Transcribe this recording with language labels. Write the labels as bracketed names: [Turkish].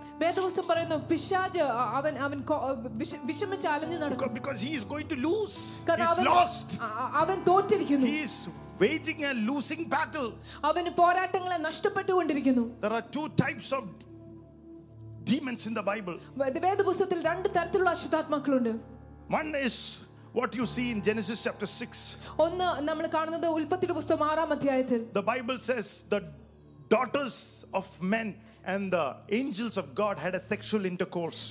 [Malayalam] വേദപുസ്തകം പറയുന്നു, പിശാച് അവൻ വിഷമിച്ച് അലഞ്ഞു നടക്കുന്നു. [English] Because he is going to lose. He's lost. [Malayalam] അവൻ തോറ്റിരിക്കുന്നു. [English] He is waging a losing battle. [Malayalam] അവൻ പോരാട്ടങ്ങളെ നഷ്ടപ്പെട്ടുകൊണ്ടിരിക്കുന്നു. [English] There are two types of demons in the Bible. [Malayalam] വേദപുസ്തകത്തിൽ രണ്ട് തരത്തിലുള്ള അശുദ്ധാത്മാക്കളുണ്ട്. [English] One is what you see in Genesis chapter 6. [Malayalam] ഒന്ന് നമ്മൾ കാണുന്നത് ഉൽപ്പത്തിയുടെ പുസ്തകം 6-ാം അധ്യായത്തിൽ. [English] The Bible says the daughters of men and the angels of God had a sexual intercourse.